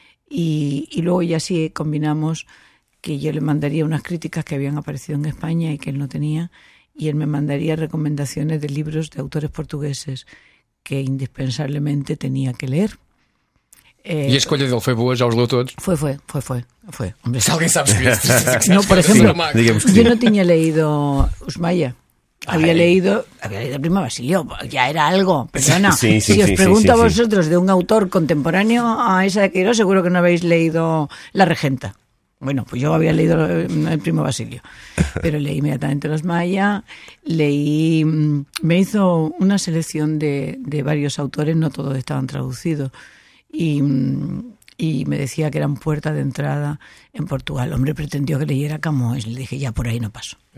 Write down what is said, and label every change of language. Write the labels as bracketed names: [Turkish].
[Spanish] Y luego ya sí combinamos que yo le mandaría unas críticas que habían aparecido en España y que él no tenía, y él me mandaría recomendaciones de libros de autores portugueses que indispensablemente tenía que leer. [Portuguese] ¿Y a escolha dele foi boa? Já os leu todos? Foi. [Spanish] Hombre, [Portuguese] se alguém sabe escrever. Não, por exemplo, eu não tinha leído Usmaya. [Spanish] Había leído Prima Basilio, ya era algo, perdona. Sí, si os pregunto a vosotros de un autor contemporáneo a esa de Queiroz, seguro que no habéis leído La Regenta. Bueno, pues yo había leído el Primo Basilio, pero leí inmediatamente Los Maya, me hizo una selección de varios autores, no todos estaban traducidos, y me decía que eran puerta de entrada en Portugal. El hombre pretendió que leyera Camões. Le dije, ya, por ahí no paso.